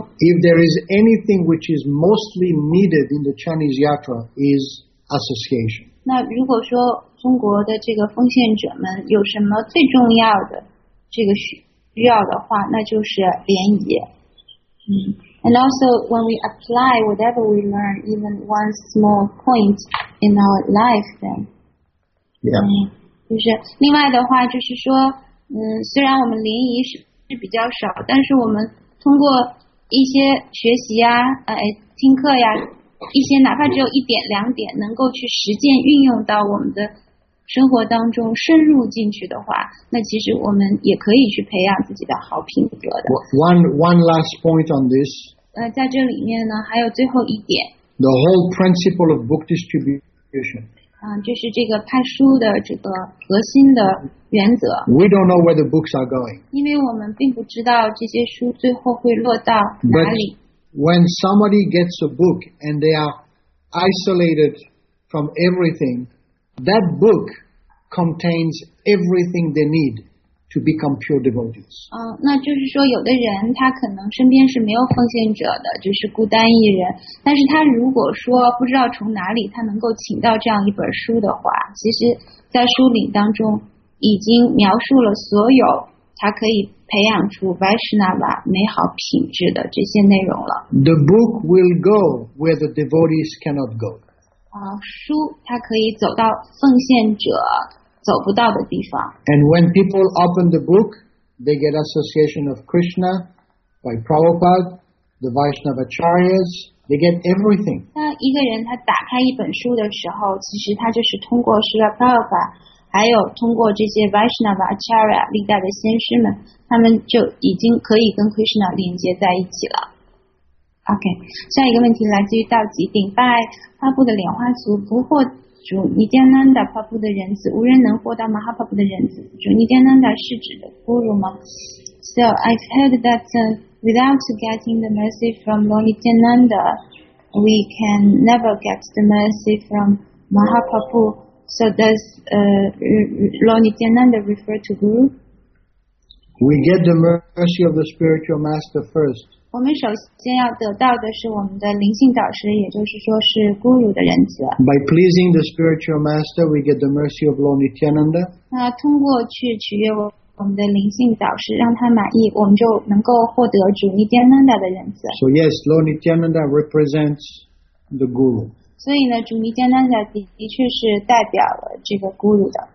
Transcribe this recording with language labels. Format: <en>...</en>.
<en>If there is anything which is mostly needed in the Chinese yatra is association.</en> <zh>那如果说中国的这个奉献者们有什么最重要的这个需要的话，那就是联谊。</zh> <en>And also when we apply whatever we learn, even one small point in our life, then. Yeah.</en> <zh>就是另外的话就是说虽然我们联谊是比较少，但是我们通过一些学习呀听课呀，一些哪怕只有一点两点能够去实践运用到我们的生活当中深入进去的话，那其实我们也可以去培养自己的好品格的。</zh> <en>One last point on this.</en> <zh>在这里面呢还有最后一点。</zh> <en>The whole principle of book distribution.</en> <zh>就是这个派书的这个核心的原则。</zh> <en>We don't know where the books are going.</en> <zh>因为我们并不知道这些书最后会落到哪里。</zh> <en>But when somebody gets a book and they are isolated from everything, that book contains everything they need to become pure devotees.</en> <zh>那就是说有的人他可能身边是没有奉献者的，就是孤单一人，但是他如果说不知道从哪里他能够请到这样一本书的话，其实在书里当中已经描述了所有他可以培养出 Vaishnava 美好品质的这些内容了。</zh> <en>The book will go where the devotees cannot go.</en> <zh>书它可以走到奉献者走不到的地方。</zh> <en>And when people open the book, they get association of Krishna by Prabhupada, the Vaishnava Acharyas, they get everything.</en> <zh>当一个人他打开一本书的时候，其实他就是通过Srila Prabhupada，还有通过这些 Vaishnava Acharya 历代的先师们，他们就已经可以跟 Krishna 连接在一起了。 OK， 下一个问题来自于道吉顶拜帕布的莲花族不获主尼迦南达帕布的人子，无人能获到马哈帕布的人子，主尼迦南达是指的孤儒吗？</zh> <en>So I've heard that without getting the mercy from Lord Nityananda, we can never get the mercy from Mahaprabhu. So does Lord Nityananda refer to Guru? We get the mercy of the spiritual master first.</en> <zh>我们首先要得到的是我们的灵性导师，也就是说是 Guru 的仁慈。</zh> <en>By pleasing the spiritual master, we get the mercy of Lord Nityananda.</en> <zh>那通过去取悦我们的灵性导师，让他满意，我们就能够获得主尼迦南达的仁慈。</zh> <en>So yes, Lord Nityananda represents the Guru.</en> <zh>所以呢，主尼迦南达的确是代表了这个 Guru 的。</zh>